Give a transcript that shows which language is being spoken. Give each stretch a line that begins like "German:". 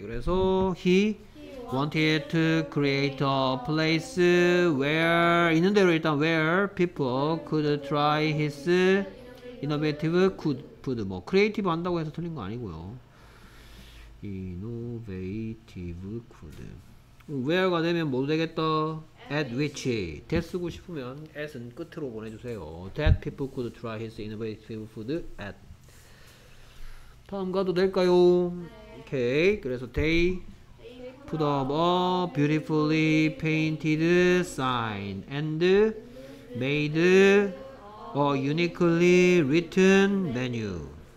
Korean: 그래서
English: he wanted to create a place where
Korean: 있는 대로 일단
English: where people could try his innovative food.
Korean: 뭐 크리에이티브 한다고 해서 틀린 거 아니고요. 이노베이티브 쿠드. where가 되면 뭐 되겠다?
English: at which.
Korean: 대 쓰고 싶으면 at은 끝으로 보내주세요.
English: that people could try his innovative food at.
Korean: 다음 가도 될까요? 네.
English: okay.
Korean: 그래서
English: they put up a beautifully painted sign and made a uniquely written menu.